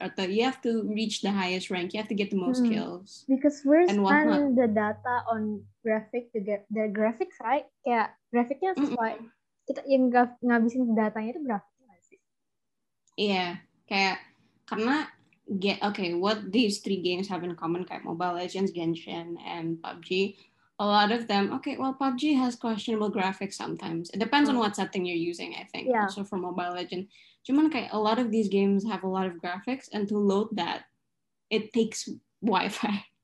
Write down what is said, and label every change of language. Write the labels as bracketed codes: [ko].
[id] Atau [en] you have to reach the highest rank. You have to get the most kills. Because we're spending the data on graphic to get the graphics, right? [id] Kayak graphicnya sesuai. Kita yang ngabisin datanya itu berapa sih? Iya. Kayak karena [en] what these three games have in common, kayak Mobile Legends, Genshin, and PUBG, a lot of them, PUBG has questionable graphics sometimes. It depends on what setting you're using, I think. Yeah. Also for Mobile Legends. [id] Cuman kayak, [en] a lot of these games have a lot of graphics, and to load that, it takes Wi-Fi.